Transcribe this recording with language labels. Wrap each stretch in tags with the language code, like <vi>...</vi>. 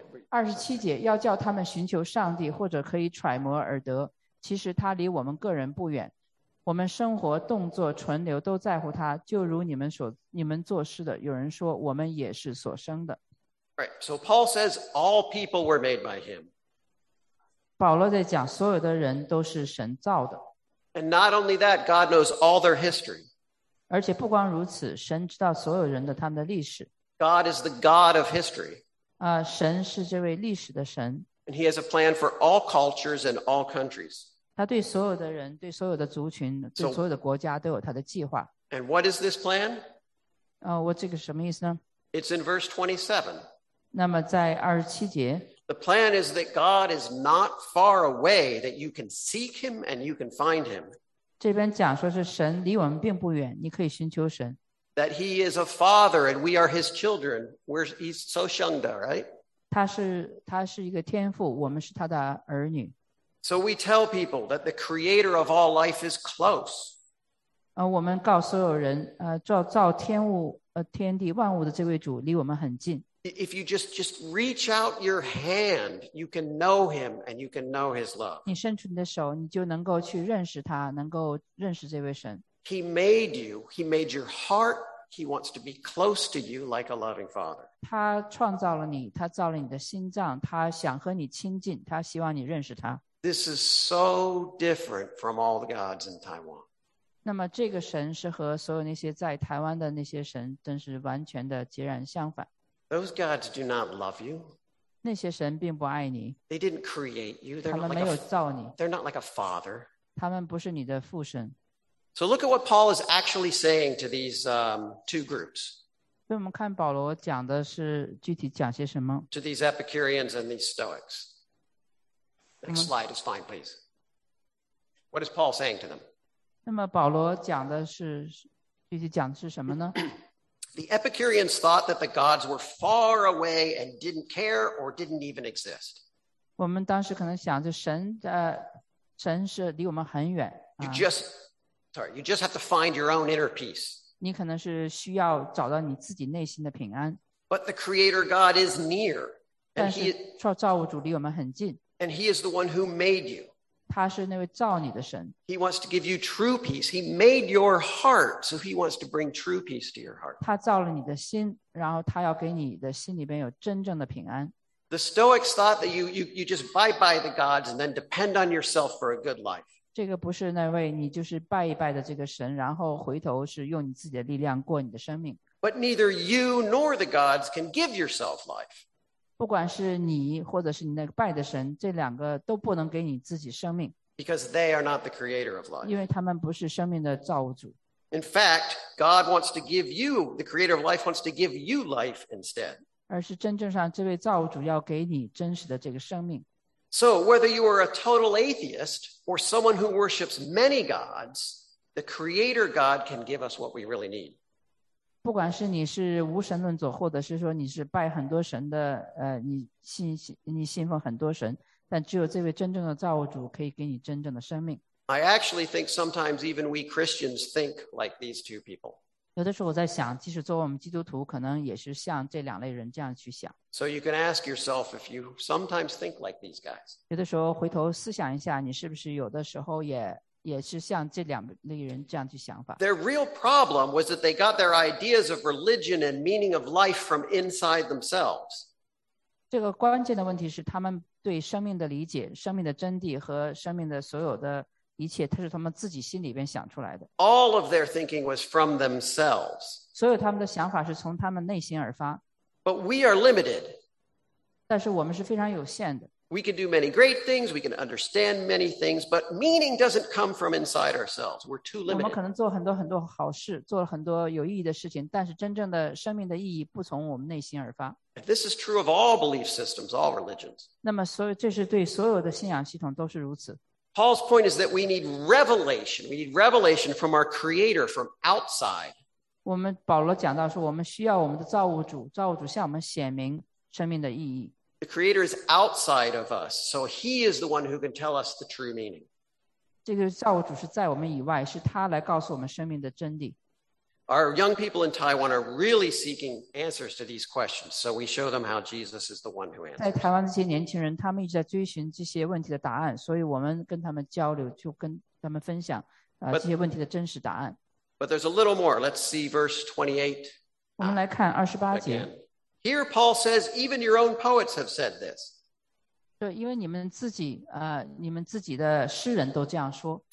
<zh>27节，要叫他们寻求上帝，或者可以揣摩而得，其实他离我们个人不远，我们生活动作存留都在乎他，就如你们作诗的，有人说我们也是所生的。</zh> <en>Right, so Paul says all people were made by him.</en> <zh>保罗在讲所有的人都是神造的。</zh> <en>And not only that, God knows all their history.</en> <zh>而且不光如此，神知道所有人的他们的历史。</zh> <en>God is the God of history.</en> <zh>神是这位历史的神。</zh> <en>And he has a plan for all cultures and all countries.</en> <zh>他对所有的人，对所有的族群，对所有的国家都有他的计划。</zh> <en>And what is this plan?</en> <zh>我这个什么意思呢？</zh> <en>It's in verse 27.</en> <zh>那么在27节。</zh> <en>The plan is that God is not far away, that you can seek him and you can find him.</en> <zh>这边讲说是神离我们并不远，你可以寻求神。</zh> <en>That he is a father and we are his children. He's so shunda, right?</en> <zh>他是一个天父，我们是他的儿女。</zh> <en>So we tell people that the creator of all life is close.</en> <zh>我们告诉所有人，造天物，天地万物的这位主离我们很近。</zh> <en>If you just reach out your hand, you can know him and you can know his love.</en> <zh>你伸出你的手，你就能够去认识他，能够认识这位神。</zh> <en>He made you. He made your heart. He wants to be close to you like a loving father.</en> <zh>他创造了你，他造了你的心脏，他想和你亲近，他希望你认识他。</zh> <en>This is so different from all the gods in Taiwan.</en> <zh>那么这个神是和所有那些在台湾的那些神，真是完全的截然相反。</zh> <en>Those gods do not love you.</en> <zh>那些神并不爱你。</zh> <en>They didn't create you. They're</en> <zh>他们没有造你。</zh> <en>They're not like a father.</en> <zh>他们不是你的父神。</zh> <en>So look at what Paul is actually saying to these two groups.</en> <zh>所以我们看保罗讲的是具体讲些什么。</zh> <en>To these Epicureans and these Stoics. Next slide is fine, please. What is Paul saying to them?</en> <zh>那么保罗讲的是具体讲的是什么呢？</zh> <en>The Epicureans thought that the gods were far away and didn't care or didn't even exist.</en> <zh>我们当时可能想着神是离我们很远。</zh> <en>You just have to find your own inner peace.</en> <zh>你可能是需要找到你自己内心的平安。</zh> <en>But the Creator God is near.</en> <zh>但是造物主离我们很近。</zh> <en>And he is the one who made you.</en> <zh>他是那位造你的神。</zh> <en>He wants to give you true peace. He made your heart, so he wants to bring true peace to your heart.</en> <zh>他造了你的心，然后他要给你的心里边有真正的平安。</zh> <en>The Stoics thought that you just bye bye the gods and then depend on yourself for a good life.</en> <zh>这个不是那位你就是拜一拜的这个神，然后回头是用你自己的力量过你的生命。</zh> <en>But neither you nor the gods can give yourself life.</en> <zh>不管是你或者是你那个拜的神，这两个都不能给你自己生命。</zh> <en>Because they are not the creator of life.</en> <zh>因为他们不是生命的造物主。</zh> <en>In fact, God wants to give you, the creator of life wants to give you life instead.</en> <zh>而是真正上这位造物主要给你真实的这个生命。</zh> <en>So whether you are a total atheist or someone who worships many gods, the creator God can give us what we really need.</en> <zh>不管是你是无神论者，或者是说你是拜很多神的，你信奉很多神，但只有这位真正的造物主可以给你真正的生命。</zh> <en>I actually think sometimes even we Christians think like these two people.</en> <zh>有的时候我在想，即使作为我们基督徒，可能也是像这两类人这样去想。</zh> <en>So you can ask yourself if you sometimes think like these guys.</en> <zh>有的时候回头思想一下，你是不是有的时候也是像这两类人这样去想法。</zh> <en>Their real problem was that they got their ideas of religion and meaning of life from inside themselves.</en> <zh>这个关键的问题是他们对生命的理解，生命的真谛和生命的所有的一切都是他们自己心里边想出来的。</zh> <en>All of their thinking was from themselves.</en> <zh>所有他们的想法是从他们内心而发。</zh> <en>But we are limited.</en> <zh>但是我们是非常有限的。</zh> <en>We can do many great things, we can understand many things, but meaning doesn't come from inside ourselves. We're too limited.</en> <zh>我们可能做很多很多好事，做了很多有意义的事情，但是真正的生命的意义不从我们内心而发。</zh> <en>This is true of all belief systems, all religions.</en> <zh>那么所以这是对所有的信仰系统都是如此。</zh> <en>Paul's point is that we need revelation. We need revelation from our creator, from outside.</en> <zh>我们保罗讲到说我们需要我们的造物主，造物主向我们显明生命的意义。</zh> <en>The creator is outside of us, so he is the one who can tell us the true meaning.</en> <zh>这个造物主是在我们以外，是他来告诉我们生命的真理。</zh> <en>Our young people in Taiwan are really seeking answers to these questions, so we show them how Jesus is the one who answers.</en> <zh>在台湾这些年轻人，他们一直在追寻这些问题的答案，所以我们跟他们交流，就跟他们分享这些问题的真实答案。</zh> <en>But there's a little more. Let's see verse 28.</en> <zh>我们来看二十八节。</zh> <en>Here Paul says, even your own poets have said this.</en> <zh>对，因为你们自己你们自己的诗人都这样说。</zh>